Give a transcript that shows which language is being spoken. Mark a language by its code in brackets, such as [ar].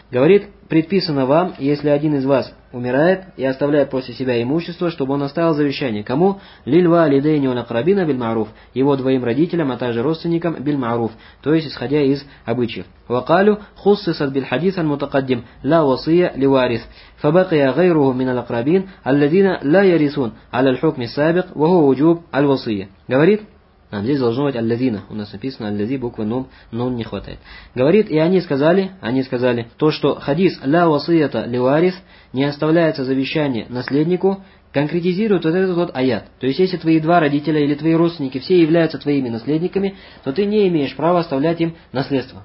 [ru] Говорит, предписано вам, если один из вас умирает и оставляет после себя имущество, чтобы он оставил завещание. Кому? [ar] «Лильва алидейни уль-акрабина биль-маруф» [ru] – его двоим родителям, а также родственникам биль-маруф, то есть исходя из обычаев. [ar] «Вакалю хуссисат биль-хадис аль-мутакаддим ла васия ливарис». فبقي غيره من الأقربين الذين لا يرثون على الحكم السابق وهو وجوب الوصية. [ru] Говорит, нам здесь должно быть «аллазина». У нас написано «аллази», буквы «нун», «нун» не хватает. Говорит, и они сказали, то, что хадис [ar] «ля васията ливарис» [ru] не оставляется завещание наследнику, конкретизирует вот этот вот аят. То есть, если твои два родителя или твои родственники все являются твоими наследниками, то ты не имеешь права оставлять им наследство.